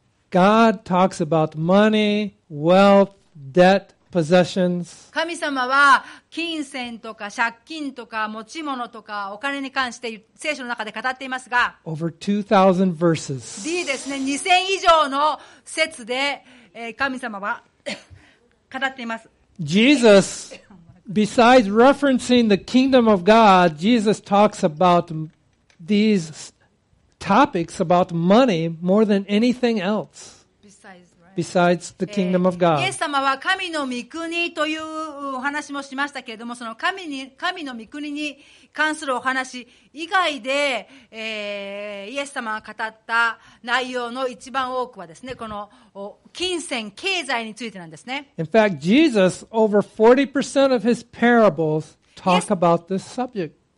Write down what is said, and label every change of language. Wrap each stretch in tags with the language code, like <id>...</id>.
<en>God talks about money, wealth, debt, possessions.</en> <ja>神様は金銭とか借金とか持ち物とかお金に関して聖書の中で語っていますが</ja> <en>Over 2000 verses.</en> <ja>D ですね。 2000以上の節で神様は語っています。</ja> <en>Jesus, besides referencing the kingdom of God, Jesus talks about these topics about money more than anything else besides the kingdom of God.</en> <ja>イエス様は神の御国というお話もしましたけれどもその神の御国に関するお話以外で、イエス様が語った内容の一番多くはですねこの金銭経済についてなんですね</ja> <en>In fact, Jesus, over 40% of his parables talk about this subject</en>